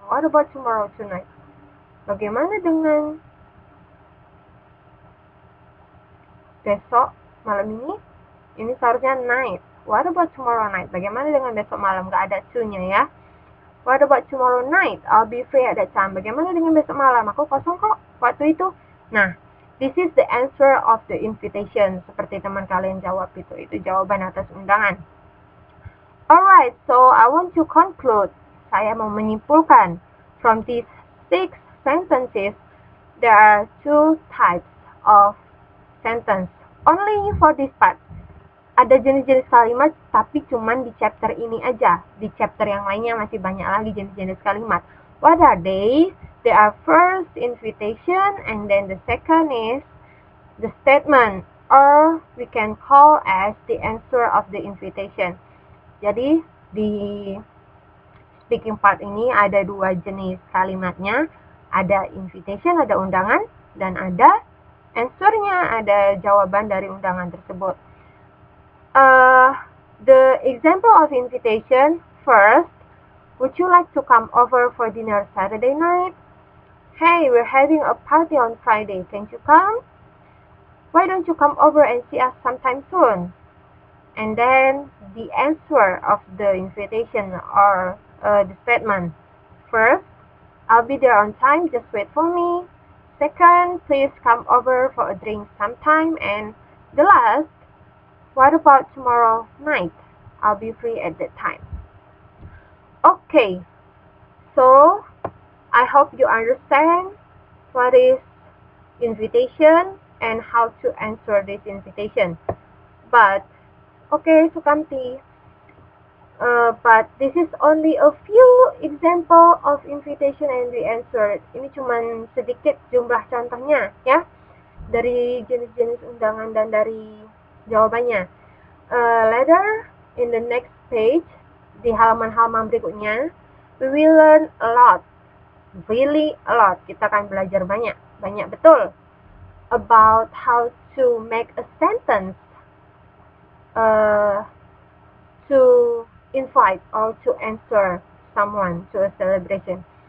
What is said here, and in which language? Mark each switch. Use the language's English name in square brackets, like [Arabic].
[English] What about tomorrow tonight? [Indonesian] Bagaimana dengan besok malam ini? Ini seharusnya night. [English] What about tomorrow night? [Indonesian] Bagaimana dengan besok malam? Gak ada to-nya ya. [English] What about tomorrow night? I'll be free at that time. [Indonesian] Bagaimana dengan besok malam? Aku kosong kok waktu itu. [English] Nah, this is the answer of the invitation. [Indonesian] Seperti teman kalian jawab itu. Itu jawaban atas undangan. [English] Alright, so I want to conclude. [Indonesian] Saya mau menyimpulkan. [English] From these six sentences, there are two types of sentence. Only for this part. [Indonesian] Ada jenis-jenis kalimat, tapi cuman di chapter ini aja. Di chapter yang lainnya masih banyak lagi jenis-jenis kalimat. [English] What are they? They are first invitation, and then the second is the statement. Or we can call as the answer of the invitation. [Indonesian] Jadi, di speaking part ini ada dua jenis kalimatnya. Ada invitation, ada undangan, dan ada answer-nya, ada jawaban dari undangan tersebut. [English] The example of invitation, first, would you like to come over for dinner Saturday night? Hey, we're having a party on Friday, can you come? Why don't you come over and see us sometime soon? And then, the answer of the invitation or the statement. First, I'll be there on time, just wait for me. Second, please come over for a drink sometime. And the last, what about tomorrow night? I'll be free at that time. Okay. So, I hope you understand what is invitation and how to answer this invitation. But, okay, Sukamti. But this is only a few example of invitation and the answer. [Indonesian] Ini cuman sedikit jumlah contohnya, ya. Dari jenis-jenis undangan dan dari jawabannya. [English] Later, in the next page, [Indonesian] di halaman-halaman berikutnya, [English] we will learn a lot, really a lot. [Indonesian] Kita akan belajar banyak, banyak betul, [English] about how to make a sentence to invite or to answer someone to a celebration.